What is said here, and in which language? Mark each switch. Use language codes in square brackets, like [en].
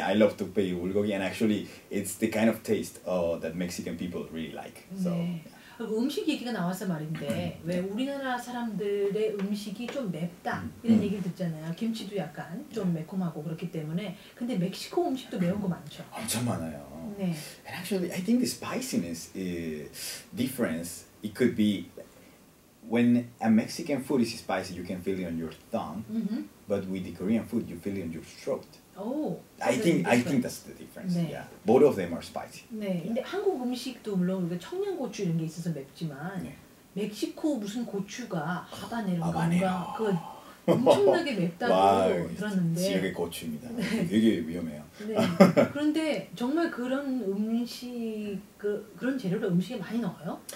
[en] I love 뚝배기 불고기, and actually, it's the kind of taste that Mexican people really like. So. [ko] 네. 음식 얘기가 나와서 말인데 왜 우리나라 사람들의 음식이 좀 맵다 이런 얘기를 듣잖아요. 김치도 약간 좀 매콤하고 그렇기 때문에. 근데 멕시코 음식도 매운 거 많죠. 엄청 많아요. 네. [en] And actually, I think the spiciness difference. It could be. When a Mexican food is spicy, you can feel it on your tongue. Mm-hmm. But with the Korean food, you feel it on your throat. Oh, I think that's the difference. [ko] 네. [en] Yeah, both of them are spicy. [ko] 네, [en] yeah. [ko] 근데 한국 음식도 물론 우리가 청양고추 이런 게 있어서 맵지만 네. 멕시코 무슨 고추가 하바네로 하바네로. 그 엄청나게 맵다고 와우, 들었는데 지역의 고추입니다. 되게 위험해요. 네. 그런데 정말 그런 음식 그런 재료를 음식에 많이 넣어요?